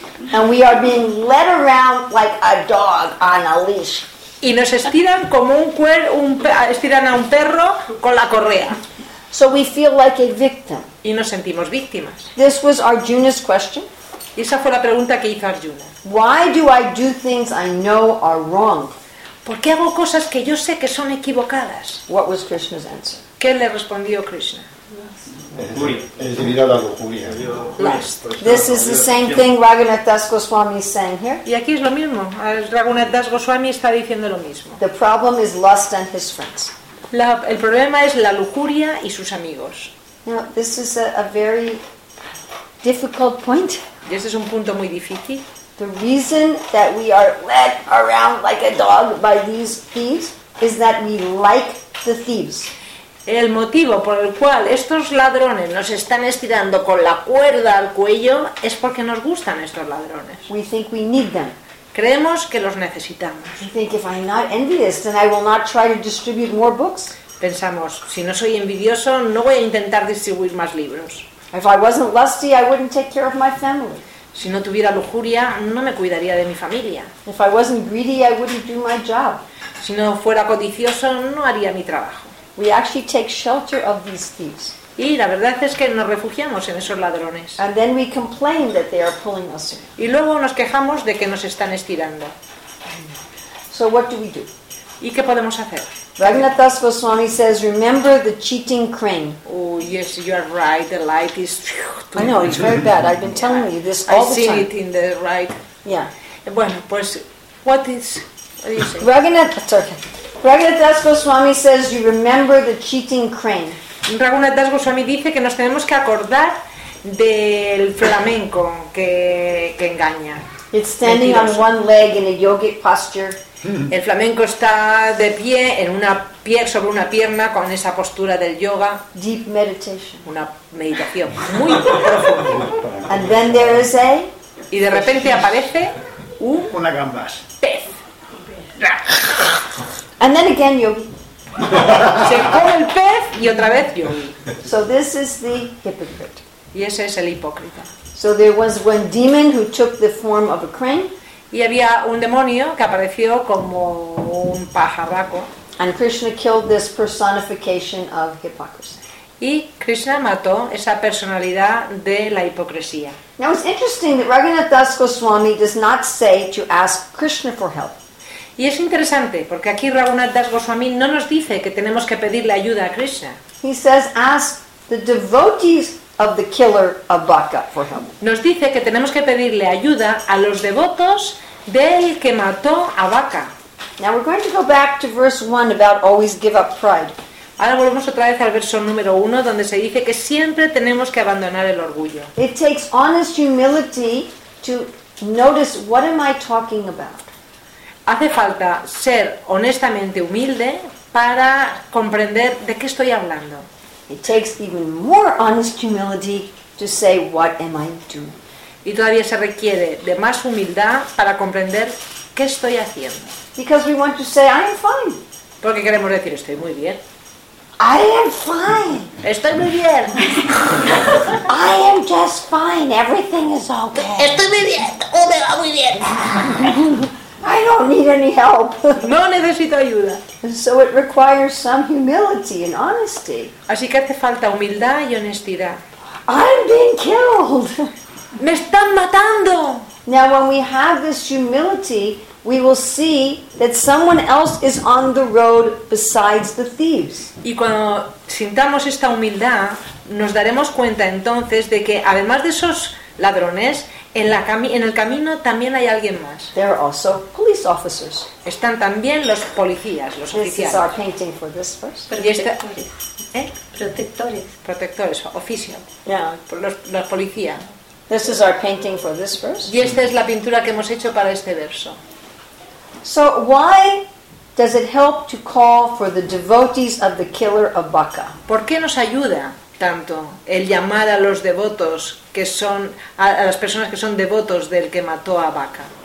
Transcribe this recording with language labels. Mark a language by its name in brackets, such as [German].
[English] And we are being led around like a dog on a leash. [Spanish] Y nos estiran como estiran a un perro con la correa. [English] So we feel like a victim. [Spanish] Y nos sentimos víctimas. [English] This was Arjuna's question. [Spanish] Y esa fue la pregunta que hizo Arjuna. [English] Why do I do things I know are wrong? [Spanish] ¿Por qué hago cosas que yo sé que son equivocadas? [English] What was Krishna's answer? [Spanish] ¿Qué le respondió Krishna? Es debido a la lujuria. [English] This is the same thing Raghunath Das Goswami is saying here. [Spanish] Y aquí es lo mismo. Raghunath Das Goswami está diciendo lo mismo. [English] The problem is lust and his friends. [Spanish] El problema es la lujuria y sus amigos. [English] Now, this is a very difficult point. [Spanish] Y este es un punto muy difícil. [English] The reason that we are led around like a dog by these thieves is that we like the thieves. [Spanish] El motivo por el cual estos ladrones nos están estirando con la cuerda al cuello es porque nos gustan estos ladrones. [English] We think we need them. [Spanish] Creemos que los necesitamos. [English] We think if I'm not envious, then I will not try to distribute more books. [Spanish] Pensamos, si no soy envidioso, no voy a intentar distribuir más libros. [English] If I wasn't lusty, I wouldn't take care of my family. [Spanish] Si no tuviera lujuria, no me cuidaría de mi familia. [English] If I wasn't greedy, I wouldn't do my job. [Spanish] Si no fuera codicioso, no haría mi trabajo. [English] We actually take shelter of these thieves. [Spanish] Y la verdad es que nos refugiamos en esos ladrones. [English] And then we complain that they are pulling us in. [Spanish] Y luego nos quejamos de que nos están estirando. [English] So what do we do? [Spanish] ¿Y qué podemos hacer? [English] Raghunath Das Goswami says, "Remember the cheating crane." Oh yes, you are right. The light is. I know it's very bad. I've been telling you this all the time. I see it in the right. Yeah. [Spanish] Bueno, pues, [English] what is? What do you say? Raghunath Das Goswami says, "You remember the cheating crane." [Spanish] Raghunath Das Goswami dice que nos tenemos que acordar del flamenco que engaña. [English] It's standing on one leg in a yogic posture. [Spanish] El flamenco está de pie en una pie sobre una pierna con esa postura del yoga. [English] Deep meditation. [Spanish] Una meditación muy profunda. [English] And then there is a. [Spanish] Y de repente aparece un. Una gamba. Pez. [English] And then again yogi. [Spanish] Se come el pez y otra vez yogi. [English] So this is the hypocrite. [Spanish] Y ese es el hipócrita. [English] So there was one demon who took the form of a crane. [Spanish] Y había un demonio que apareció como un pajarraco. [English] And Krishna killed this personification of hypocrisy. [Spanish] Y Krishna mató esa personalidad de la hipocresía. [English] Now it's interesting that Raghunath Das Goswami does not say to ask Krishna for help. [Spanish] Y es interesante porque aquí Raghunath Das Goswami no nos dice que tenemos que pedirle ayuda a Krishna. [English] He says ask the devotees of the killer of Bhaka for him. [Spanish] Nos dice que tenemos que pedirle ayuda a los devotos del que mató a Bhaka. [English] Now we're going to go back to verse 1 about always give up pride. [Spanish] Ahora volvemos otra vez al verso número 1 donde se dice que siempre tenemos que abandonar el orgullo. [English] It takes honest humility to notice what am I talking about. [Spanish] Hace falta ser honestamente humilde para comprender de qué estoy hablando. [English] It takes even more honest humility to say, what am I doing? [Spanish] Y todavía se requiere de más humildad para comprender qué estoy haciendo. [English] Because we want to say, I am fine. [Spanish] Porque queremos decir, estoy muy bien. [English] I am fine. [Spanish] Estoy muy bien. [English] I am just fine. Everything is okay. [Spanish] Estoy muy bien. Todo me va muy bien. [English] I don't need any help. [Spanish] No necesito ayuda. [English] So it requires some humility and honesty. [Spanish] Así que hace falta humildad y honestidad. [English] I'm being killed. [Spanish] Me están matando. [English] Now when we have this humility, we will see that someone else is on the road besides the thieves. [Spanish] Y cuando sintamos esta humildad, nos daremos cuenta entonces de que además de esos ladrones, en el camino también hay alguien más. [English] There are also police officers. [Spanish] Están también los policías, los oficiales. [English] This is our painting for this verse. [Spanish] Protectores, oficial. [English] Yeah. [Spanish] Los policías. [English] This is our painting for this verse. [Spanish] Y esta es la pintura que hemos hecho para este verso. [English] So why does it help to call for the devotees of the killer of Bhaka? [Spanish] ¿Por qué nos ayuda tanto el llamar a los devotos que son a las personas que son devotos del que mató a Bhaka?